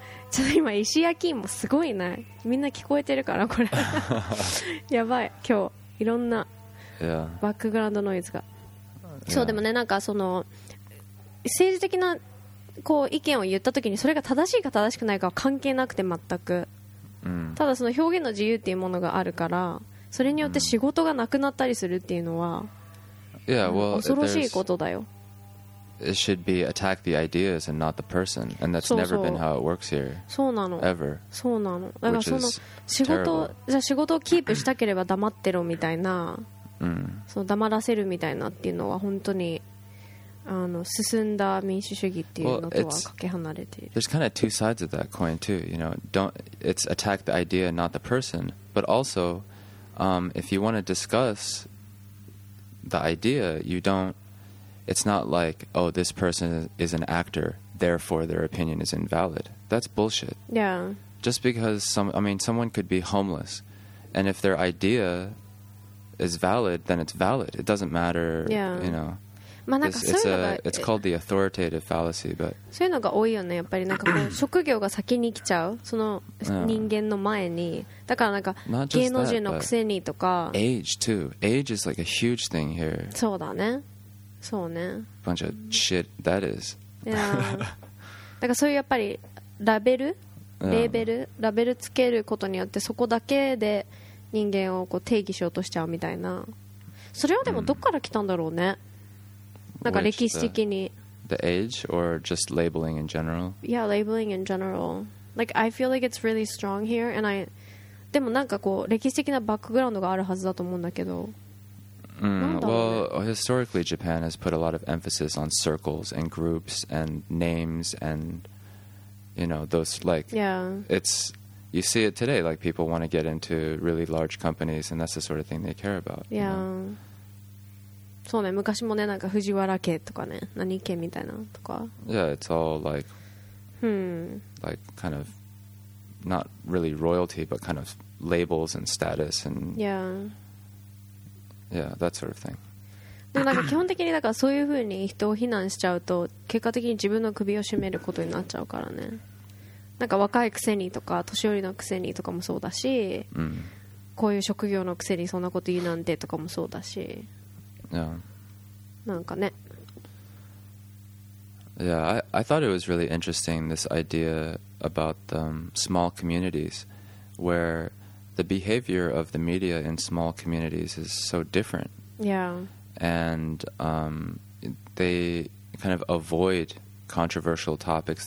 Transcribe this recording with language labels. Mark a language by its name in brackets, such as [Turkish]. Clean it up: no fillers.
[Japanese] ちょっと今石焼きもすごいな、みんな聞こえてるからこれやばい、今日いろんなバックグラウンドノイズが、そうでもね、なんかその政治的なこう意見を言ったときにそれが正しいか正しくないかは関係なくて全く、ただその表現の自由っていうものがあるから、それによって仕事がなくなったりするっていうのは恐ろしいことだよ。 [English] It should be attack the ideas and not the person, and that's never been how it works here. [Japanese] そうなの。 [English] Ever. [Japanese] そうなの。だからその仕事、じゃあ仕事をキープしたければ黙ってろみたいな、その黙らせるみたいなっていうのは本当に進んだ民主主義っていうのとはかけ離れている。 [English] There's kind of two sides of that coin too, you know. It's attack the idea, not the person. But also, if you want to discuss the idea, you don't. It's not like, oh, this person is an actor, therefore their opinion is invalid. That's bullshit. Yeah. Just because someone could be homeless, and if their idea is valid, then it's valid. It doesn't matter. Yeah. You know. [Japanese] まあ、なんかそういうのが [English] it's called the authoritative fallacy, but [Japanese] そういうのが多いよね、やっぱりなんかこう職業が先に来ちゃう、その人間の前に、だからなんか芸能人のくせにとか、 [English] age too, age is like a huge thing here. [Japanese] そうだね、そうね、 [English] bunch of shit that is. Yeah. [Japanese] だからそういうやっぱりラベル、レーベル、ラベルつけることによってそこだけで人間をこう定義しようとしちゃうみたいな。それはでもどこから来たんだろうね、なんか歴史的に。 [English] The age or just labeling in general? Yeah, labeling in general. Like, I feel like it's really strong here, and I... [Japanese] でもなんかこう歴史的なバックグラウンドがあるはずだと思うんだけど。 [English] Well, historically Japan has put a lot of emphasis on circles and groups and names and, you know, those like... Yeah. It's... You see it today, like people want to get into really large companies and that's the sort of thing they care about. Yeah. You know? [Japanese] そうね、昔もね、なんか藤原家とかね、何家みたいなとか。 [English] Yeah, it's all like, like kind of not really royalty, but kind of labels and status and yeah, that sort of thing. [Japanese] でもなんか基本的にだからそういう風に人を非難しちゃうと結果的に自分の首を絞めることになっちゃうからね。なんか若いくせにとか年寄りのくせにとかもそうだし、こういう職業のくせにそんなこと言うなんてとかもそうだし。 [English] Yeah. [Japanese] なんかね。 [English] Yeah, I thought it was really interesting, this idea about small communities, where the behavior of the media in small communities is so different. Yeah. And they kind of avoid controversial topics.